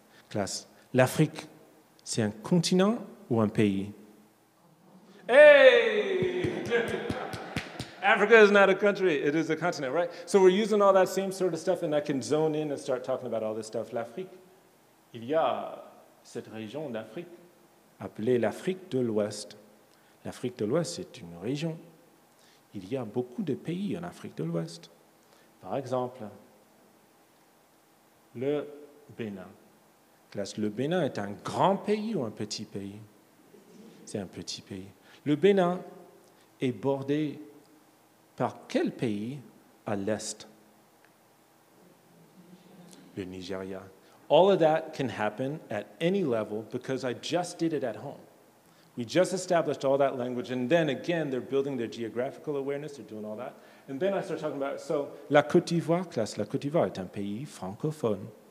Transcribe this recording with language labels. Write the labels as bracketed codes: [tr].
[fr] Class, l'Afrique, c'est un continent ou un pays? [en] Hey! Africa is not a country, it is a continent, right? So we're using all that same sort of stuff, and I can zone in and start talking about all this stuff. [fr] L'Afrique, il y a cette région d'Afrique appelée l'Afrique de l'Ouest. L'Afrique de l'Ouest, c'est une région. Il y a beaucoup de pays en Afrique de l'Ouest. Par exemple, le Bénin. Classe, le Bénin est un grand pays ou un petit pays? C'est un petit pays. Le Bénin est bordé par quel pays à l'est? Le Nigeria. [en] All of that can happen at any level because I just did it at home. We just established all that language, and then again, they're building their geographical awareness, they're doing all that. And then I start talking about, so, [fr] la Côte d'Ivoire, classe, la Côte d'Ivoire est un pays francophone.